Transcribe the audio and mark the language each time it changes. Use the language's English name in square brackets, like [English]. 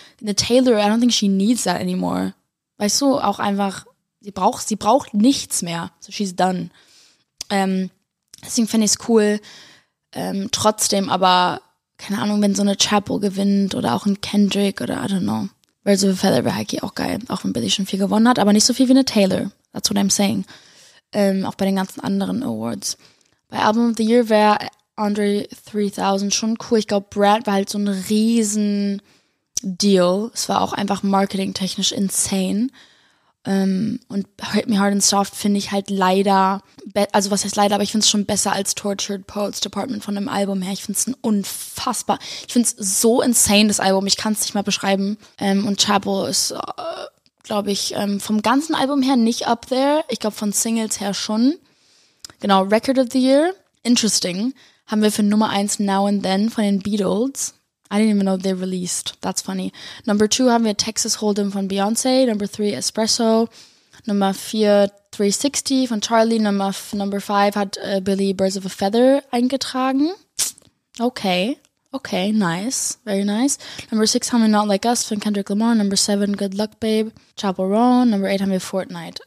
[English] Eine Taylor, I don't think she needs that anymore. [German] Weißt du, auch einfach, sie braucht nichts mehr. [English] So, she's done. [German] Deswegen finde ich es cool. Trotzdem, aber, keine Ahnung, wenn so eine Chapel gewinnt oder auch ein Kendrick oder [English] I don't know. [German] Birds of a Feather wäre Heike auch geil, auch wenn Billie schon viel gewonnen hat, aber nicht so viel wie eine Taylor. [English] That's what I'm saying. [German] Auch bei den ganzen anderen Awards. Bei Album of the Year wäre Andre 3000 schon cool. Ich glaube, Brad war halt so ein riesen Deal. Es war auch einfach marketingtechnisch insane. Und Hurt Me Hard and Soft finde ich halt leider, also was heißt leider, aber ich finde es schon besser als Tortured Poets Department von dem Album her. Ich finde es unfassbar. Ich finde es so insane, das Album. Ich kann es nicht mal beschreiben. Und Chapel ist, glaube ich, vom ganzen Album her nicht up there. Ich glaube, von Singles her schon. Genau, Record of the Year, interesting, haben wir für Nummer 1 Now and Then von den Beatles. [English] I didn't even know they released, that's funny. [German] Number 2 haben wir Texas Hold'em von Beyoncé, Number 3 Espresso, Nummer 4 360 von Charlie, Number 5 hat Billie Birds of a Feather eingetragen. [English] Okay, nice, very nice. [German] Number 6 haben wir Not Like Us von Kendrick Lamar, Number 7 Good Luck Babe, Chapel Roan, Number 8 haben wir Fortnite.